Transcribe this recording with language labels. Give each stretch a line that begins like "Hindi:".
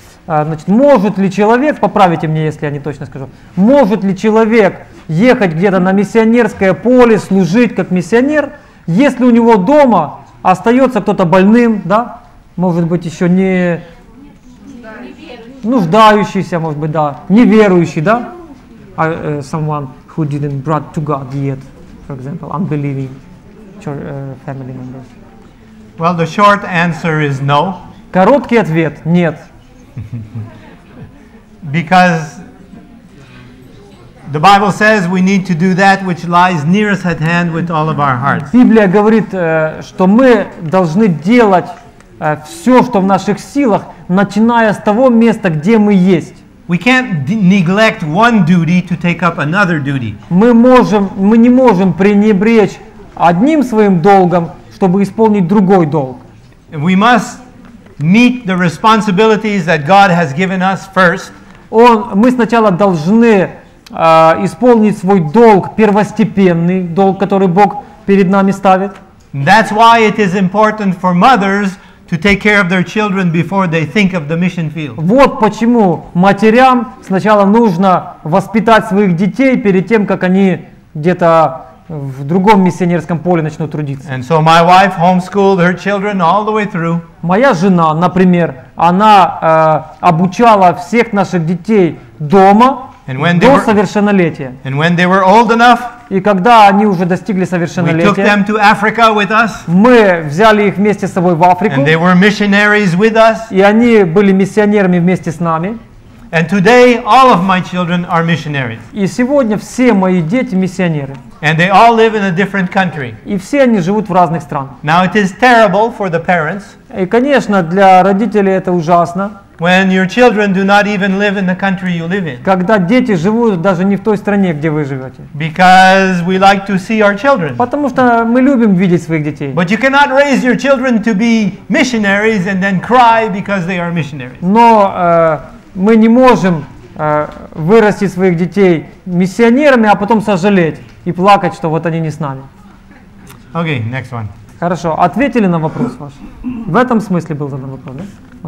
Russian: значит, может ли человек, поправите мне, если я не точно скажу, может ли человек ехать где-то на миссионерское поле, служить как миссионер, если у него дома остается кто-то больным, да, может быть, еще не нуждающийся, может быть, да, неверующий, да,
English: someone who didn't brought to God yet, for example, unbelieving church, family members. Well, the short answer is no.
Russian: Короткий ответ – нет.
English: Because the Bible says we need to do that which lies nearest at hand with all of our hearts.
Russian: Библия говорит, что мы должны делать все, что в наших силах, начиная с того места, где мы есть.
English: We can't neglect one duty to take up another duty.
Russian: Мы не можем пренебречь одним своим долгом, чтобы исполнить другой долг.
English: We must meet the responsibilities that God has given us first.
Russian: Мы сначала должны исполнить свой долг, первостепенный долг, который Бог перед нами ставит.
English: That's why it is important for mothers to take care of their children before they think of the mission field.
Russian: Вот почему матерям сначала нужно воспитать своих детей перед тем, как они где-то в другом миссионерском поле начнут трудиться.
English: And so my wife homeschooled her children all the way through.
Russian: Моя жена, например, она обучала всех наших детей дома до совершеннолетия.
English: And when they were old enough,
Russian: и когда они уже достигли совершеннолетия,
English: we took them to Africa with us.
Russian: Мы взяли их вместе с собой в Африку.
English: And they were missionaries with us.
Russian: И они были миссионерами вместе с нами.
English: And today all of my children are missionaries.
Russian: И сегодня все мои дети миссионеры.
English: And they all live in a different country.
Russian: И все они живут в разных странах.
English: Now it is terrible for the parents.
Russian: И, конечно, для родителей это ужасно.
English: When your children do not even live in the country you live in.
Russian: Когда дети живут даже не в той стране, где вы живете.
English: Because we like to see our children.
Russian: Потому что мы любим видеть своих детей.
English: But you cannot raise your children to be missionaries and then cry because they are missionaries.
Russian: Но мы не можем вырастить своих детей миссионерами, а потом сожалеть и плакать, что вот они не с нами.
English: Okay, next one.
Russian: Хорошо, ответили на вопрос ваш? В этом смысле был задан вопрос, да?